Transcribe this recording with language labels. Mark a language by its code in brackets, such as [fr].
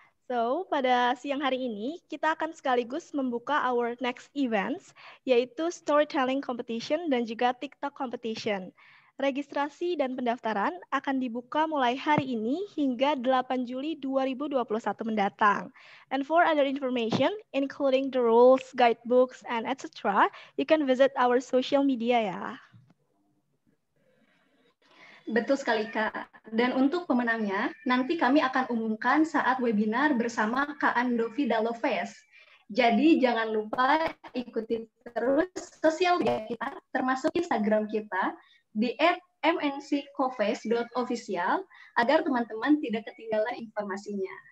[id] So, pada siang hari ini, kita akan sekaligus membuka [en] our next events, [id] yaitu Storytelling Competition dan juga TikTok Competition. Registrasi dan pendaftaran akan dibuka mulai hari ini hingga 8 Juli 2021 mendatang. [en] And for other information, including the rules, guidebooks, and etc., you can visit our social media ya. [id] Betul sekali, Kak. Dan untuk pemenangnya, nanti kami akan umumkan saat webinar bersama Kak Andovi Dalofes. Jadi jangan lupa ikuti terus sosial media kita, termasuk Instagram kita, di mnckoves.official agar teman-teman tidak ketinggalan informasinya.